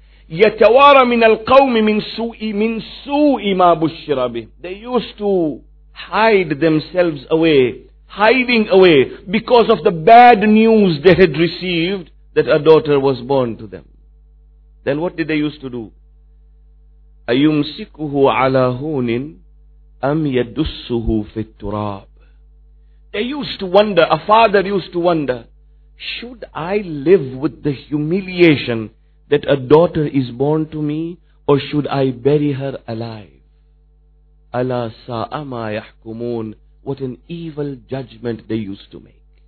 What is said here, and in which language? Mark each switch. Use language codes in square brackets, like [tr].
[ar] يَتَوَارَ مِنَ الْقَوْمِ مِنْ سُوءِ مَا بُشِّرَ بِهِ. [en] They used to hide themselves away, hiding away, because of the bad news they had received that a daughter was born to them. Then what did they used to do? [ar] أَيُمْسِكُهُ عَلَى هُونٍ أَمْ يَدُسُّهُ فِي التُّرَابِ. [en] They used to wonder, a father used to wonder, should I live with the humiliation that a daughter is born to me, or should I bury her alive? [ar] Ala sa'a ma yahkumun. [en] What an evil judgment they used to make.